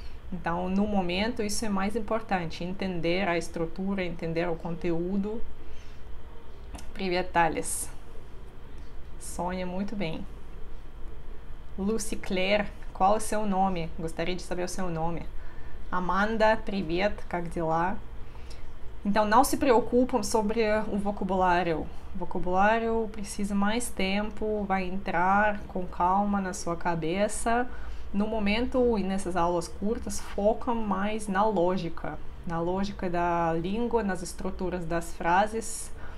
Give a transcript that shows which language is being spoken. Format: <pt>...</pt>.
<pt>Então, no momento, isso é mais importante, entender a estrutura, entender o conteúdo.</pt> <ru>Privet,</ru> <pt>Thales. Sonha muito bem. Lucy Claire, qual é o seu nome? Gostaria de saber o seu nome.</pt> <ru>Amanda, привет, как дела?</ru> <pt>Então, não se preocupem sobre o vocabulário. O vocabulário precisa mais tempo, vai entrar com calma na sua cabeça. No momento e nessas aulas curtas, foca mais na lógica da língua, nas estruturas das frases.</pt>